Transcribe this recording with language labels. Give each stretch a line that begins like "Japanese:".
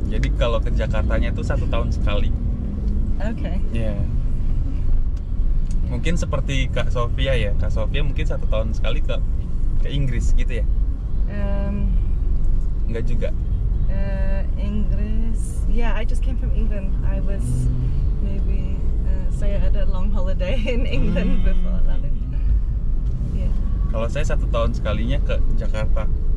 Indonesian: Jadi kalau ke Jakartanya itu 1 tahun sekali. Oke. Okay. Yeah. Mungkin seperti Kak Sofia ya. Kak Sofia mungkin 1 tahun sekali ke Inggris gitu ya. Enggak juga. Inggris.
English: Yeah, I just came from England. I was maybe
Indonesian: saya ada
English: long holiday in England before that.
Indonesian: Kalau saya 1 tahun sekalinya ke Jakarta.